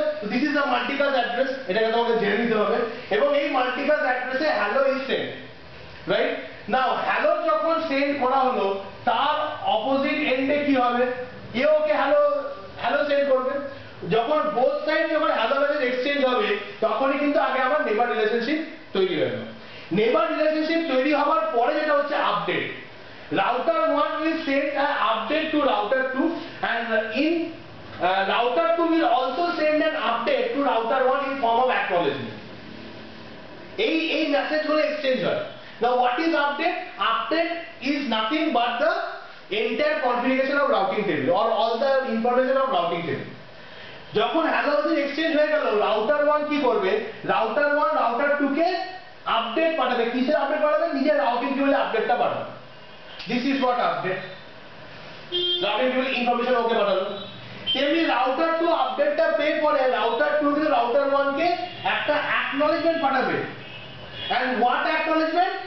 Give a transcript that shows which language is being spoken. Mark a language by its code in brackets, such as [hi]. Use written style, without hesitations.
[en] this is a multicast address [bn] এটাকে তোমাকে জেনে নিতে হবে এবং এই মাল্টিকাস্ট অ্যাড্রেসে [en] hello is send right now hello [bn] যখন সেন্ড করা হলো তার অপোজিট এন্ডে কি হবে কে ওকে হ্যালো হ্যালো সেন্ড করবে যখন বোথ সাইড যখন হ্যালো মেসেজ এক্সচেঞ্জ হবে তখনই কিন্তু আগে আমার নেবার রিলেশনশিপ তৈরি হবে নেবার রিলেশনশিপ তৈরি হওয়ার পরে যেটা হচ্ছে [en] update router one will send an update to router two and in router two will also send an update to router one in form of acknowledgement [bn] এই এই মেসেজ গুলো এক্সচেঞ্জ হয় [en] Now what is update? Update is nothing but the entire configuration of routing table or all the information of routing table. [bn] যখন hello message exchange হয়ে গেল router 1 কি করবে router 1 router 2 কে update পাঠাবে কিসের আপডেট পাঠাবে নিজের রাউটিং টেবিলে আপডেটটা পাঠাবে [en] this is what update routing table information [bn] ওকে পাঠালো তেমনি রাউটার 2 আপডেটটা পেয়ে পরে রাউটার 2 কে রাউটার 1 কে একটা অ্যাকনলেজমেন্ট পাঠাবে [en] And what acknowledgement?